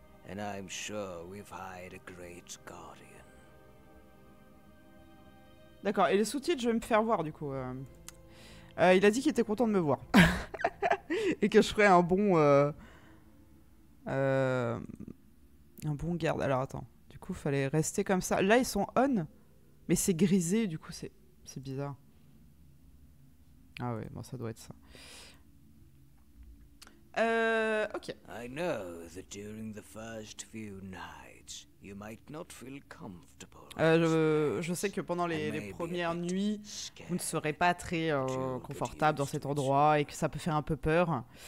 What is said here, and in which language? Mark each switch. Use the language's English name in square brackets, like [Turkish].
[English] And I'm sure we've hired a great guardian. [French] D'accord, et les sous-titres, je vais me faire voir du coup. Il a dit qu'il était content de me voir. Et que je ferais un bon garde. Alors attends, du coup, fallait rester comme ça. Là, ils sont on, mais c'est grisé, du coup, c'est bizarre. Ah ouais, bon, ça doit être ça. OK. [English] I know that during the first few nights you might not feel comfortable. [French] Je sais que pendant les premières nuits vous ne serez pas très confortable dans cet endroit et que ça peut faire un peu peur.